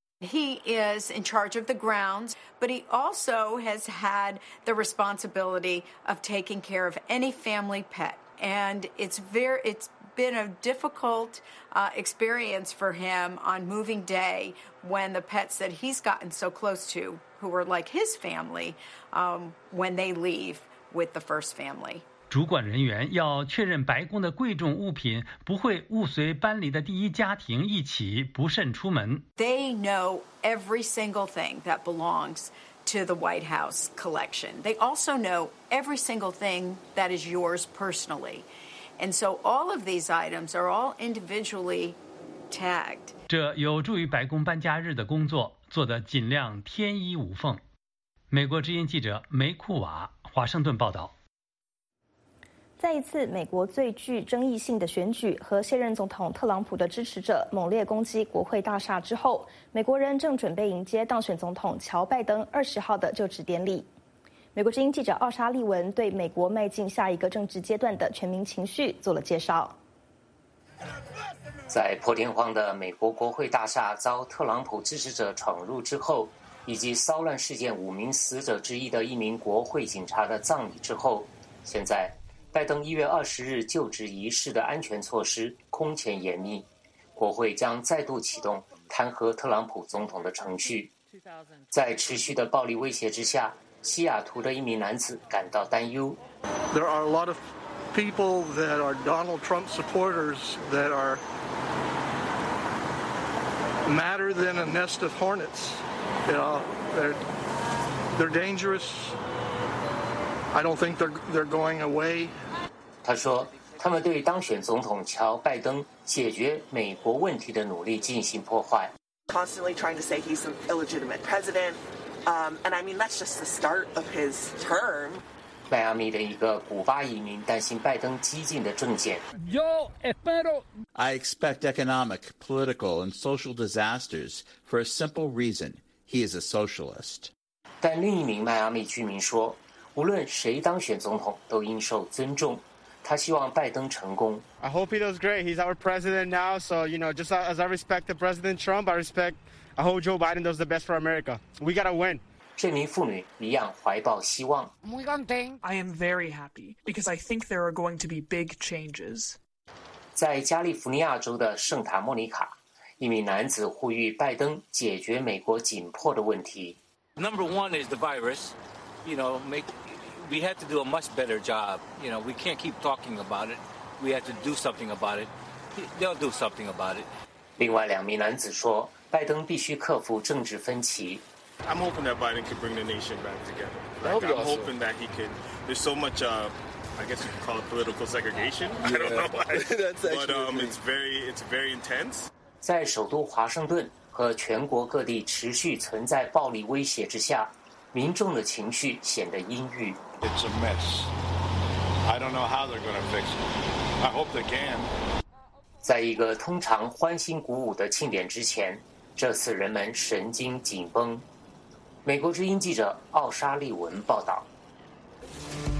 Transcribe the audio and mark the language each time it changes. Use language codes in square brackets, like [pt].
[en] He is in charge of the grounds, but he also has had the responsibility of taking care of any family pet, and it's been a difficult experience for him on moving day when the pets that he's gotten so close to, who were like his family, when they leave with the first family. [zh] 主管人员要确认白宫的贵重物品不会误随搬离的第一家庭一起不慎出门。 [en] They know every single thing that belongs to the White House collection. They also know every single thing that is yours personally. And so all of these items are all individually tagged. [zh] 这有助于白宫搬家日的工作做得尽量天衣无缝。美国之音记者梅库瓦，华盛顿报道。在一次美国最具争议性的选举和现任总统特朗普的支持者猛烈攻击国会大厦之后，美国人正准备迎接当选总统乔拜登20号的就职典礼。美国之音记者奥沙利文对美国迈进下一个政治阶段的全民情绪做了介绍。在破天荒的美国国会大厦遭特朗普支持者闯入之后，以及骚乱事件五名死者之一的一名国会警察的葬礼之后，现在拜登1月20日就职仪式的安全措施空前严密，国会将再度启动弹劾特朗普总统的程序。在持续的暴力威胁之下，西雅图的一名男子感到担忧。 [en] There are a lot of people that are Donald Trump supporters that are madder than a nest of hornets. You know, they're dangerous. I don't think they're going away. [zh] 他说，他们对当选总统乔拜登解决美国问题的努力进行破坏。 [en] Constantly trying to say he's an illegitimate president. And I mean, that's just the start of his term. [zh] 迈阿密的一个古巴移民担心拜登激进的政见。 [es] Yo, espero. [en] I expect economic, political, and social disasters for a simple reason. He is a socialist. [zh] 但另一名迈阿密居民说，无论谁当选总统都应受尊重。他希望拜登成功。 [en] I hope he does great. He's our president now, so you know, just as I respect the President Trump, I hope Joe Biden does the best for America. We gotta win. [zh] 这名妇女一样怀抱希望。 [es] Muy contenta. [en] I am very happy because I think there are going to be big changes. [zh] 在加利福尼亚州的圣塔莫尼卡，一名男子呼吁拜登解决美国紧迫的问题。 [en] Number one is the virus. you know, make, we have to do a much better job. You know, we can't keep talking about it. We have to do something about it. They'll do something about it. [zh] 另外两名男子说，拜登必须克服政治分歧。 [en] I'm hoping that Biden can bring the nation back together. Like, I'm hoping that he can. There's so much, I guess you could call it political segregation. Yeah. I don't know why. That's actually true. But it's very intense. [zh] 在首都华盛顿和全国各地持续存在暴力威胁之下，民众的情绪显得阴郁。 [en] It's a mess. I don't know how they're going to fix it. I hope they can. [zh] 在一个通常欢欣鼓舞的庆典之前，这次人们神经紧绷。美国之音记者奥沙利文报道。